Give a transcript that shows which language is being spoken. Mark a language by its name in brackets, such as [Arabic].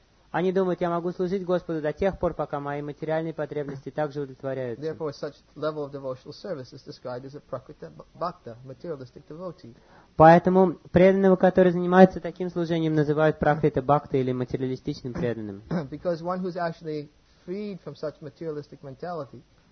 [Russian] Они думают, я могу служить Господу до тех пор, пока мои материальные потребности также удовлетворяются. [English] Therefore, such level of devotional service is described as a prakriti bhakta, materialistic devotee. [Russian] Поэтому преданного, который занимается таким служением, называют прахрита бхакта или материалистичным преданным. [English] Because one who's actually freed from such materialistic mentality,